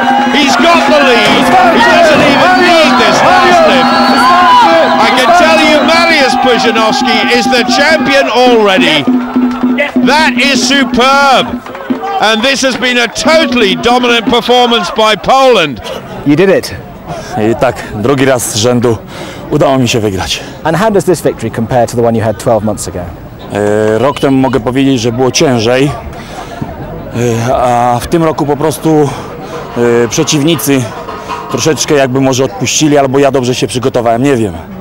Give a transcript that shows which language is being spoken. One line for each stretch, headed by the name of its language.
English: He's got the lead. He doesn't even need this last lift. I can tell you, Marius Pujanowski is the champion already. That is superb. And this has been a totally dominant performance by Poland. You did it.
Polish: Tak, drugi raz z rzędu udało mi się wygrać.
English: And how does this victory compare to the one you had 12 months ago?
Polish: Rok temu mogę powiedzieć, że było ciężej. A w tym roku po prostu przeciwnicy troszeczkę jakby może odpuścili, albo ja dobrze się przygotowałem, nie wiem.